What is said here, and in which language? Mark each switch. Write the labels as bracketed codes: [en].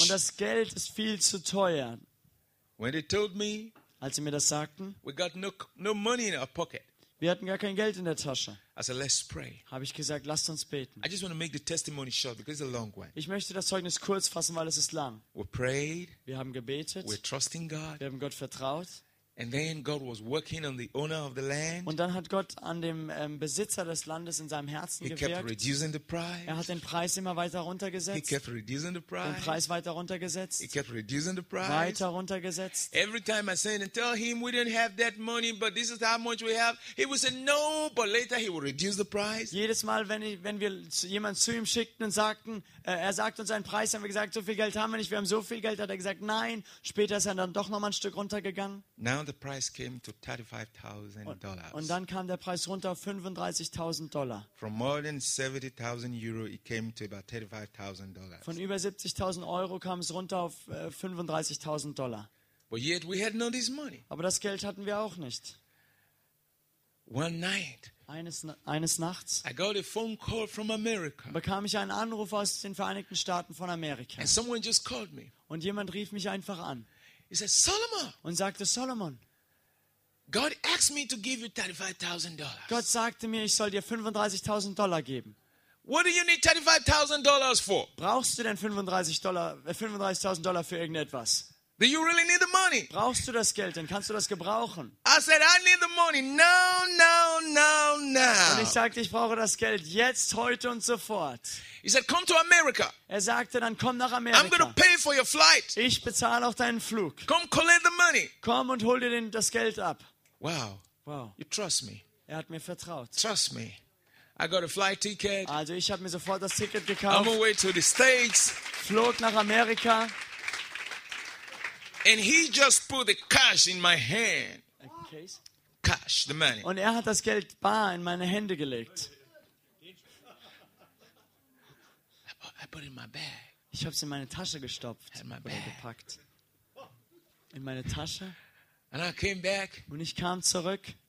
[de] Und das Geld ist viel zu teuer. [en] When they told me, [de] als sie mir das sagten, [en] we got no money in our pocket. [de] Wir hatten gar kein Geld in der Tasche. [en] I said, let's pray. [de] Habe ich gesagt, lasst uns beten. [en] I just want to make the testimony short because it's a long one. [de] Ich möchte das Zeugnis kurz fassen, weil es ist lang. [en] We prayed. [de] Wir haben gebetet. [en] We're trusting God. [de] Wir haben Gott vertraut. [en] And then God was working on the owner of the land. [de] Und dann hat Gott an dem Besitzer des Landes in seinem Herzen gewirkt. [en] He kept reducing the price. [de] Er hat den Preis immer weiter runtergesetzt. [en] He kept reducing the price. [de] Den Preis weiter runtergesetzt. [en] He kept reducing the price. [de] Weiter runtergesetzt. [en] Every time I said and tell him we didn't have that money, but this is how much we have, he would say no, but later he would reduce the price. [de] Jedes Mal, wenn wir jemanden zu ihm schickten und sagten, er sagt uns einen Preis, haben wir gesagt, so viel Geld haben wir nicht, wir haben so viel Geld, hat er gesagt, nein. Später ist er dann doch noch mal ein Stück runtergegangen. [en] Now the price came to $35,000. [de] Und dann kam der Preis runter auf $35,000. [en] From more than 70,000 euro, it came to about $35,000. [de] Von über 70,000 Euro kam es runter auf $35,000. [en] But yet we had not this money. [de] Aber das Geld hatten wir auch nicht. [en] One night. [de] Eines Nachts. [en] I got a phone call from America. [de] Bekam ich einen Anruf aus den Vereinigten Staaten von Amerika. [en] And someone just called me. [de] Und jemand rief mich einfach an. [en] He said, Solomon. [de] Und sagte, Solomon. [en] God asked me to give you $35,000. [de] Gott sagte mir, ich soll dir $35,000 geben. [en] What do you need $35,000 for? [de] Brauchst du denn $35,000 für irgendetwas? [en] Do you really need the money? [de] Brauchst du das Geld? Dann kannst du das gebrauchen. [en] I said I need the money. No, no, no, no. [de] Und ich sagte, ich brauche das Geld jetzt, heute und sofort. [en] He said, come to America. [de] Er sagte, dann komm nach Amerika. [en] I'm going to pay for your flight. [de] Ich bezahle auch deinen Flug. [en] Come collect the money. [de] Komm und hol dir das Geld ab. Wow. Wow. [en] You trust me. [de] Er hat mir vertraut. [en] Trust me. I got a flight ticket. [de] Also ich habe mir sofort das Ticket gekauft. [en] I'm on my way to the States. [de] Flog nach Amerika. [en] And he just put the cash in my hand. A case? Cash, the money. [de] Und hat das Geld bar in meine Hände gelegt. [en] I put it in my bag. [de] Ich hab's in meine Tasche gestopft. [en] In my bag. [de] Gepackt. In meine Tasche. [en] And I came back. [de] Und ich kam zurück.